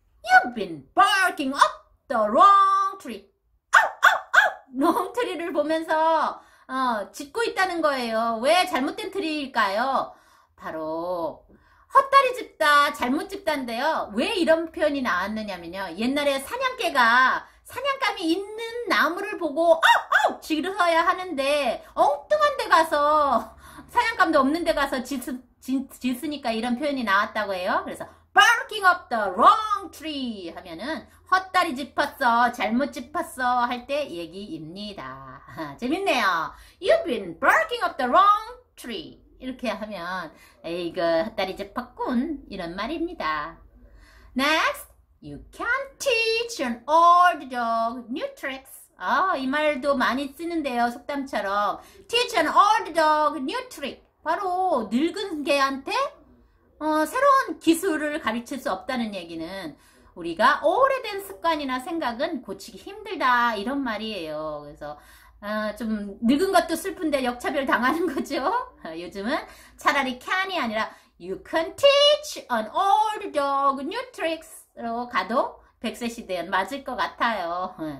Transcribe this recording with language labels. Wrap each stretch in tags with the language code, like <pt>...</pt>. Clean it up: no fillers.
<en>You've been barking up the wrong tree.</en> <ko>롱 트리를 보면서 짖고 있다는 거예요. 왜 잘못된 트리일까요? 바로 헛다리 짚다, 잘못 짚단데요. 왜 이런 표현이 나왔느냐면요. 옛날에 사냥개가 사냥감이 있는 나무를 보고 지르어야 하는데 엉뚱한 데 가서 사냥감도 없는 데 가서 짖으니까 이런 표현이 나왔다고 해요. 그래서</ko> <en>barking up the wrong tree</en> <ko>하면은 헛다리 짚었어, 잘못 짚었어 할때 얘기입니다. 재밌네요.</ko> <en>You've been barking up the wrong tree.</en> <ko>이렇게 하면 에이그 헛다리 짚었군 이런 말입니다.</ko> <en>Next, you can't teach an old dog new tricks.</en> <ko>이 말도 많이 쓰는데요. 속담처럼</ko> <en>teach an old dog new trick.</en> <ko>바로 늙은 개한테 새로운 기술을 가르칠 수 없다는 얘기는 우리가 오래된 습관이나 생각은 고치기 힘들다 이런 말이에요. 그래서 좀 늙은 것도 슬픈데 역차별 당하는 거죠. 요즘은 차라리 can이 아니라</ko> <en>you can teach an old dog new tricks</en> <ko>로 가도 100세 시대엔 맞을 것 같아요.</ko>